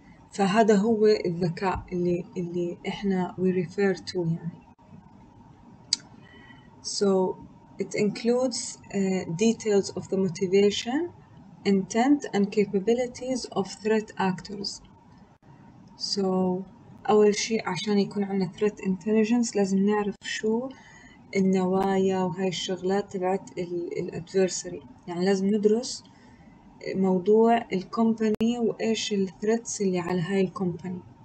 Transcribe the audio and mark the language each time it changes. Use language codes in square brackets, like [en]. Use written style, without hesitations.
[ar] فهذا هو الذكاء اللي إحنا [en] we refer to [ar] يعني. [en] So it includes details of the motivation, intent, and capabilities of threat actors. [ar] So, أول شيء عشان يكون عندنا threat intelligence لازم نعرف شو النوايا وهاي الشغلات تبعت ال adversary. يعني لازم ندرس موضوع ال company وإيش ال threats اللي على هاي ال company.